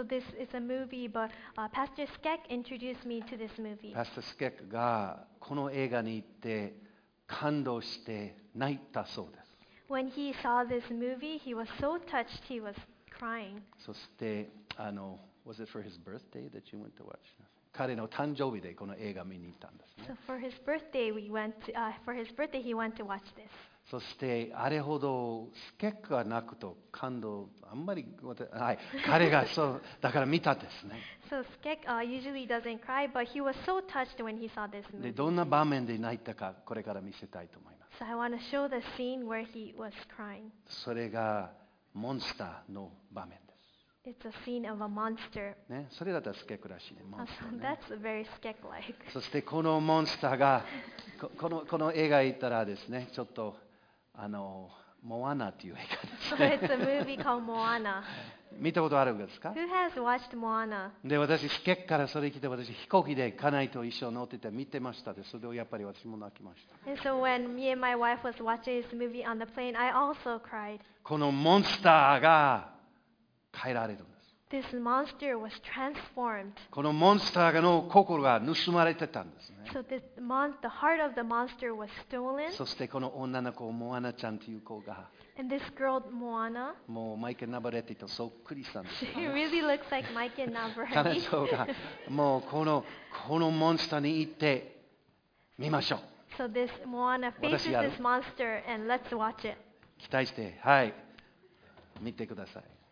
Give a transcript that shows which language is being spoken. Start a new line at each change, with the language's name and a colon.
English: So this is a movie, but Pastor Skek introduced me to this movie.
Japanese: Pastor Skek がこの映画に行って感動して泣いたそうです。
English: When he saw this movie, he was so touched, he was crying. crying.
Japanese: そしてあの
English: was it for his birthday that you went to watch?
Japanese: 彼の誕生日でこの映画見に行ったんですね。
English: So for his birthday we went to, for his birthday he went to watch this.
Japanese: そしてあれほどスケックがなくと感動あんまり、はい、彼がそうだから見たですね。
English: So Skek usually doesn't cry, but he was so touched when he saw this movie.
Japanese: でどんな場面で泣いたかこれから見せたいと思います。
English: So I want to show the scene where he was crying.
Japanese: それがモンスターの場面です。
English: It's a scene of a monster.
Japanese: ね、それだったらスケックらしいね、モンスターね。
English: That's very Skek-like.
Japanese: そしてこのモンスターが この映画行ったらですね、ちょっとあのモアナという映画ですね。
English: So it's a movie called Moana.
Japanese: 見たことあるんですか
English: ？Who has watched Moana?
Japanese: で、私スケックからそれ聞いて、私飛行機で家内と一緒に乗ってて見てましたで、それをやっぱり私も泣きました。
English: And so when me and my wife was watching this movie on the plane, I also cried.
Japanese: このモンスターが変えられるんです。
English: This monster was transformed.
Japanese: このモンスターの心が盗まれてたんですね。
English: So this the heart of the monster was stolen.
Japanese: そしてこの女の子モアナちゃんという子が。
English: And this girl, Moana,
Japanese: もうマイケル・ナバレティとそっくりさんです。
English: She really looks like Mike and Navarrete.
Japanese: 彼女がもうこのモンスターに行ってみましょう。
English: So this Moana faces this monster and let's watch it.
Japanese: 期待して、はい、見てください。